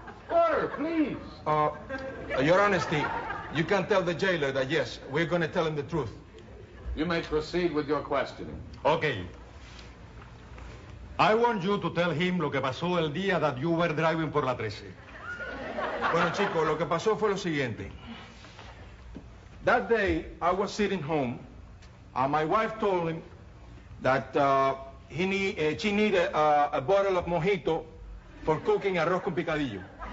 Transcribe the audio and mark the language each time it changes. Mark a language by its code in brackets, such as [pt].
[en] Order, please. Your honesty, you can tell the jailer that yes, we're going to tell him the truth. You may proceed with your questioning. Okay. I want you to tell him [es] lo que pasó el día [en] that you were driving [es] por la 13. Bueno, chicos, lo que pasó fue lo siguiente. [en] That day, I was sitting home, and my wife told him that she needed a bottle of mojito for cooking arroz con picadillo.